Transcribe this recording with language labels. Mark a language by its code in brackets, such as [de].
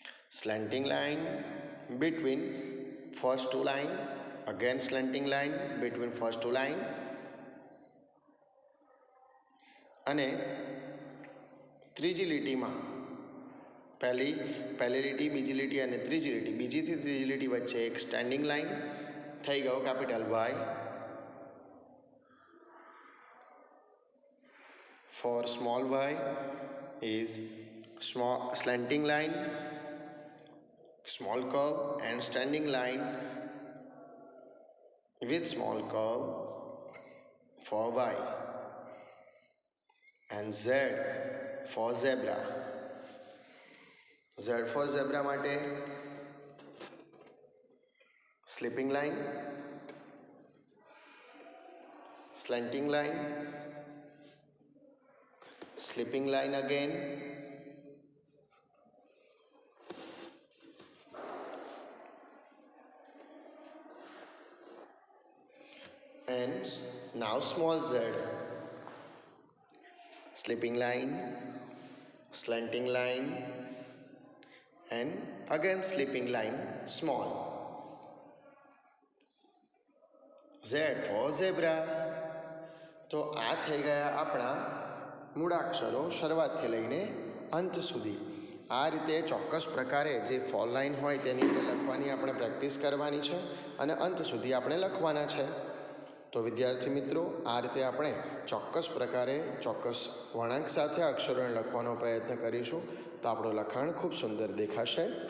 [en] Slanting line between first two line, [gu] again slanting line between first two line અને ત્રીજી લીટીમાં પહેલી લીટી બીજી લીટી અને ત્રીજી લીટી બીજીથી ત્રીજી લીટી વચ્ચે એક સ્ટેન્ડિંગ લાઇન થઈ ગયો capital Y. [en] For small Y is small slanting line, small curve and standing line with small curve for y, and z for zebra. Z for zebra mate slipping line, slanting line, slipping line again, and now small z, slipping line, slanting line and again slipping line small, z for zebra. [gu] તો આ થઈ ગયા આપણા મૂળાક્ષરો શરૂઆતથી લઈને અંત સુધી. આ રીતે ચોક્કસ પ્રકારે જે ફોલ લાઈન હોય તેની અંદર લખવાની આપણે પ્રેક્ટિસ કરવાની છે અને અંત સુધી આપણે લખવાના છે. તો વિદ્યાર્થી મિત્રો, આ રીતે આપણે ચોક્કસ પ્રકારે ચોક્કસ વળાંક સાથે અક્ષરોને લખવાનો પ્રયત્ન કરીશું તો આપણું લખાણ ખૂબ સુંદર દેખાશે.